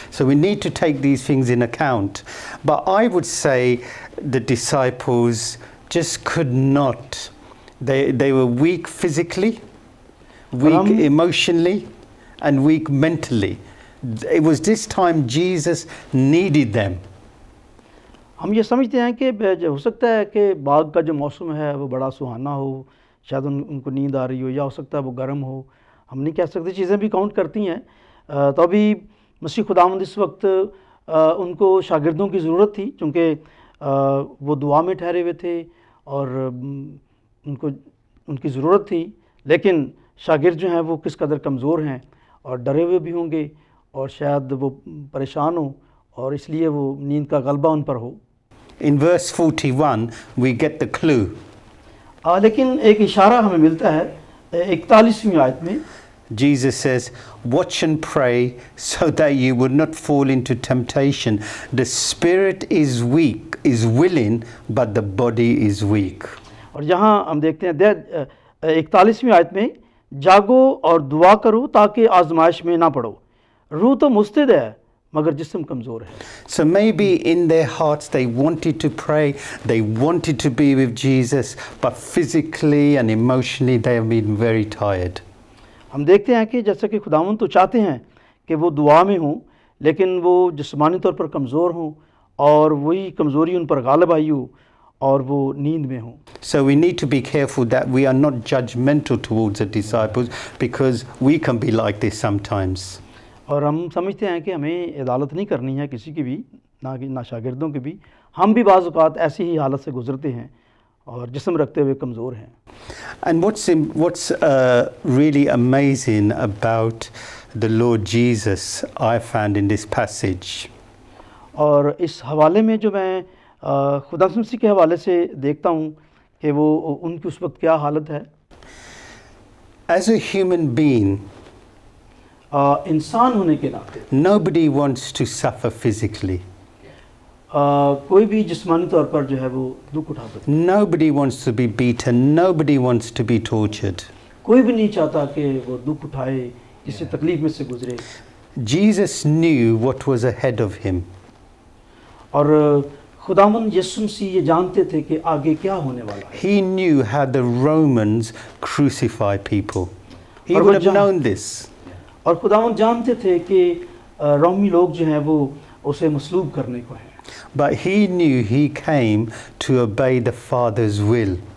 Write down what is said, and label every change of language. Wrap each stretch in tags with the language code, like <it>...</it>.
<en>So we need to take these things in account. But I would say the disciples just could not. They were weak physically, weak emotionally, and weak mentally. It was this time Jesus needed them.</en> <hi>हम ये समझते हैं कि हो सकता है कि बाग का जो मौसम है वो बड़ा सुहाना हो, शायद उनको नींद आ रही हो, या हो सकता है वो गर्म हो. हम नहीं कह सकते चीज़ें भी काउंट करती हैं तो अभी मसीह खुदावंद इस वक्त उनको शागिर्दों की ज़रूरत थी क्योंकि वो दुआ में ठहरे हुए थे और उनको उनकी ज़रूरत थी लेकिन शागिर्द जो हैं वो किस कदर कमज़ोर हैं और डरे हुए भी होंगे और शायद वो परेशान हों और इसलिए वो नींद का गलबा उन पर हो.</hi> <en>In verse 41 we get the clue.</en> <hi>लेकिन एक इशारा हमें मिलता है 41वीं आयत में.</hi> <en>Jesus says, "Watch and pray so that you would not fall into temptation. The spirit is weak, is willing, but the body is weak."</en> <hi>और यहाँ हम देखते हैं 41वीं आयत में जागो और दुआ करो ताकि आजमाइश में ना पड़ो. रूह तो मुस्तैद है मगर जिस्म कमजोर है.</hi> <en>So maybe in their hearts they wanted to pray, they wanted to be with Jesus, but physically and emotionally they have been very tired.</en> <hi>हम देखते हैं कि जैसा कि खुदावंद तो चाहते हैं कि वो दुआ में हों लेकिन वो जिस्मानी तौर पर कमज़ोर हों और वही कमज़ोरी उन पर गालिब आई हो और वो नींद में हों.</hi> <en>So we need to be careful that we are not judgmental towards the disciples because we can be like this sometimes.</en> <hi>और हम समझते हैं कि हमें अदालत नहीं करनी है किसी की भी ना शागिर्दों की भी. हम भी बाज़ औक़ात ऐसी ही हालत से गुजरते हैं और जिस्म रखते हुए कमज़ोर हैं.</hi> <en>And what's really amazing about the Lord Jesus I found in this passage.</en> <hi>और इस हवाले में जो मैं खुदा मसीह के हवाले से देखता हूँ कि वो उनकी उस वक्त क्या हालत है.</hi> <en>As a human being,</en> <hi>इंसान होने के नाते</hi> <en>Nobody wants to suffer physically.</en> <hi>कोई भी जिस्मानी तौर पर जो है वो दुख उठाता है.</hi> <en>Nobody wants to be beaten. Nobody wants to be tortured.</en> <hi>कोई भी नहीं चाहता कि वो दुख उठाए किसी तकलीफ में से गुजरे.</hi> <en>Jesus knew what was ahead of him.</en> <hi>और खुदावंद यीशु मसीह ये जानते थे कि आगे क्या होने वाला है.</hi> <en>He knew how the Romans crucify people. He would have known this.</en> <hi>और खुदावंद जानते थे कि रोमी लोग जो हैं वो उसे मसलूब करने को हैं.</hi> <en>But he knew he came to obey the Father's will.</en>